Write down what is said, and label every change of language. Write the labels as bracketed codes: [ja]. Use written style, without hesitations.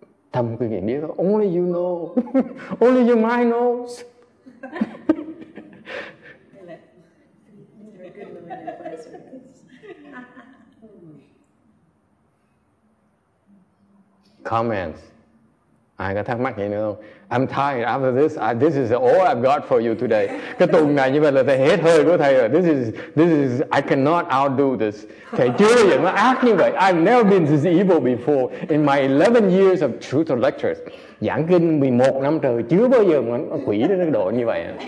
[vi] Tâm quý vị biết. [en] Only you know. Only your mind knows. Comments. [vi] Ai có thắc mắc gì nữa không? [en] I'm tired after this. This is all I've got for you today. [vi] Cái tuần này như vậy là thầy hết hơi của thầy rồi. [en] This is I cannot outdo this. [vi] Thầy chưa bao giờ nó ác như vậy. [en] I've never been this evil before in my 11 years of truth or lectures. [vi] Giảng kinh 11 năm trời chưa bao giờ mà nó quỷ đến độ như vậy.